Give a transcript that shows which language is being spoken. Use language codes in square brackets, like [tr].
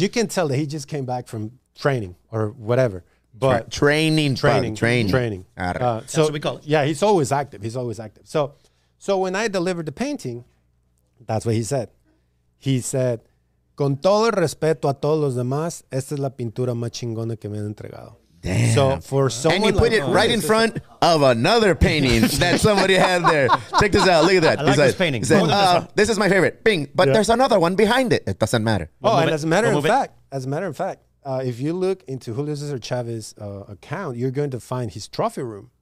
[en] You can tell that he just came back from training or whatever. But training. That's what we call it. Yeah, he's always active. So when I delivered the painting, that's what he said. He said, [es] con todo el respeto a todos los demás, esta es la pintura más chingona que me han entregado. [en] Damn. So for someone, and you put like, it right in front of another painting that somebody had there. Check this out. Look at that. I like this painting. This is my favorite. Bing. But there's another one behind it. It doesn't matter. As a matter of fact, if you look into Julio César Chávez's account, you're going to find his trophy room.